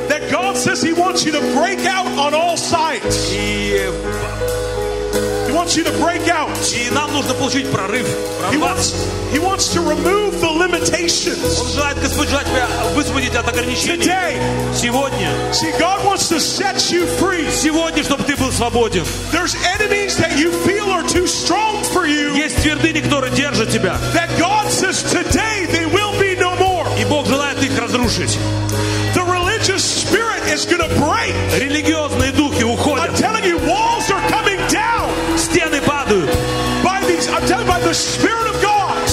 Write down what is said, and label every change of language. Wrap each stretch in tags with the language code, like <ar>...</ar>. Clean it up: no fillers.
<en>That God says He wants you to break out on all sides. He wants you to break out.</en> <ru>И нам нужно получить прорыв.</ru> <en>He wants to remove the limitations.</en> <ru>Он желает, Господь желает тебя высвободить от ограничений.</ru> <en>Today.</en> <ru>Сегодня.</ru> <en>See, God wants to set you free.</en> <ru>Сегодня, чтобы ты был свободен.</ru> <en>There's enemies that you feel are too strong for you.</en> <ru>Есть твердыни, которые держат тебя.</ru> <en>That God says today they will be no more.</en> <ru>И Бог желает их разрушить.</ru> <en>The religious spirit is going to break.</en> <ru>Религиозные духи уходят.</ru> <en>I'm telling you, walls are coming down.</en> <ru>Стены падают.</ru> <en>By these, I'm telling you, by the Spirit of God.</en>